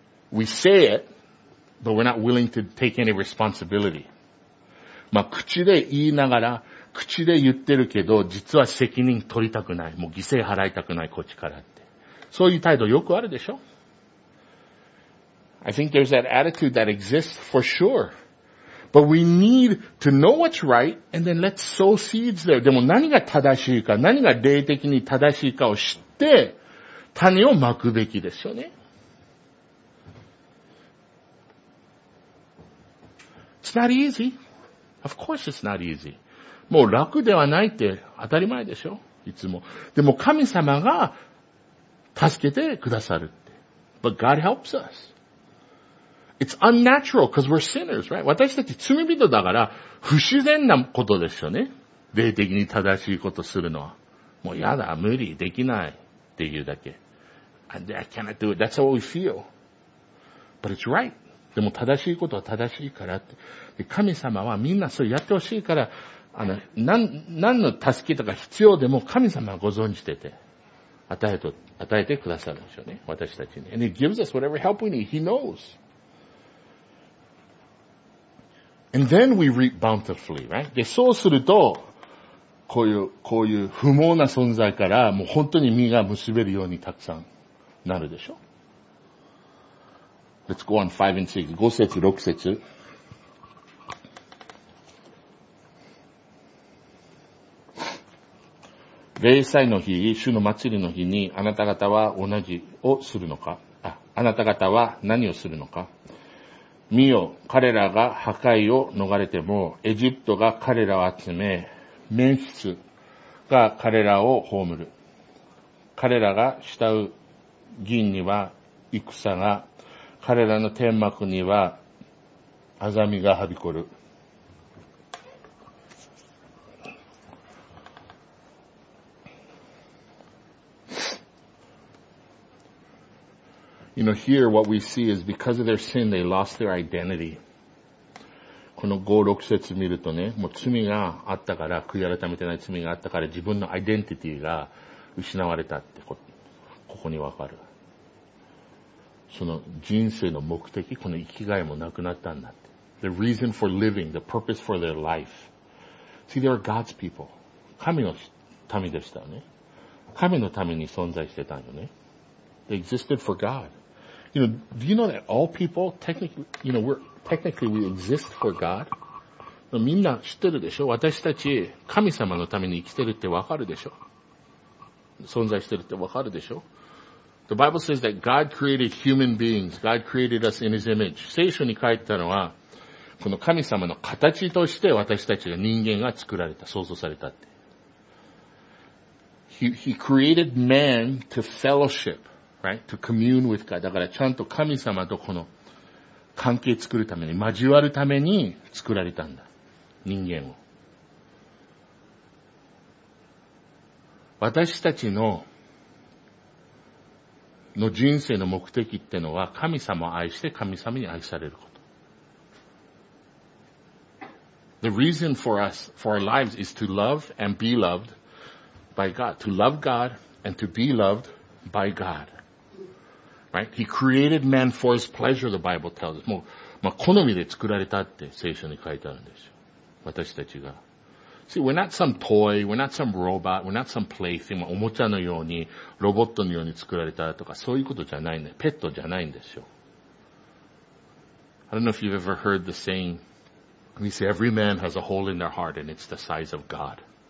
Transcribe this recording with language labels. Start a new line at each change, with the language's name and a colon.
English: We say it, but we're not willing to take any responsibility.
Japanese: まあ、口で言いながら、口で言ってるけど、実は責任取りたくない。もう犠牲払いたくない、こっちからって。そういう態度よくあるでしょ。
English: I think there's that attitude that exists for sure. But we need to know what's right and then let's sow seeds there.
Japanese: でも何が正しいか、何が霊的に正しいかを知って、種をまくべきですよね。
English: It's not easy. Of course it's not easy.
Japanese: もう楽ではないって当たり前でしょ?いつも。でも神様が助けてくださるって。
English: But God helps us. It's unnatural because we're sinners, right?
Japanese: 私たち罪人だから不自然なことですよね。霊的に正しいことするのは。もうやだ、無理、できないっていうだけ。
English: I cannot do it. That's how we feel. But it's right.
Japanese: でも正しいことは正しいからって。で神様はみんなそうやってほしいから、何の助けとか必要でも神様はご存じてて。与えてくださるんでしょうね。私たちに。
English: And he gives us whatever help we need. He knows. And then we reap bountifully, right?
Japanese: で、そうすると、こういう不毛な存在から、もう本当に実が結べるようにたくさんなるでしょ。
English: Let's go on 5 and 6.
Japanese: 5節、6節。礼祭の日、主の祭りの日にあなた方は同じをするのか？あなた方は何をするのか？見よ、彼らが破壊を逃れても、エジプトが彼らを集め、メンフィスが彼らを葬る。彼らが慕う銀には戦が、彼らの天幕にはあざみがはびこる。
English: You know, here what we see is because of their sin, they lost their identity.
Japanese: この5、6節見るとね、もう罪があったから、悔い改めてない罪があったから、自分のアイデンティティが失われたって、ここにわかる。その人生の目的、この生きがいもなくなったんだって。
English: The reason for living, the purpose for their life. See, they are God's people.
Japanese: 神の民でしたよね。神の民に存在してたんよね。
English: They existed for God. You know, do you know that all people technically we exist for God?
Japanese: みんな知ってるでしょ？私たち神様のために生きてるってわかるでしょ？存在してるってわかるでしょ？
English: The Bible says that God created human beings. God created us in His image.
Japanese: 聖書に書いてたのは、この神様の形として私たちが人間が作られた、創造されたって。
English: He created man to fellowship. Right? To commune with God.
Japanese: だからちゃんと神様とこの関係作るために、交わるために作られたんだ。人間を。私たちの人生の目的ってのは神様を愛して神様に愛されること。
English: The reason for us, for our lives is to love and be loved by God. To love God and to be loved by God. Right? He created man for his pleasure, the Bible tells us.
Japanese: もう、まあ、好みで作られたって聖書に書いてあるんですよ。私たちが。
English: See, we're not some toy, we're not some robot, we're not some plaything.
Japanese: おもちゃのように、ロボットのように作られたとか、そういうことじゃないね。ペットじゃないんですよ。
English: I don't know if you've ever heard the saying, we say every man has a hole in their heart and it's the size of God.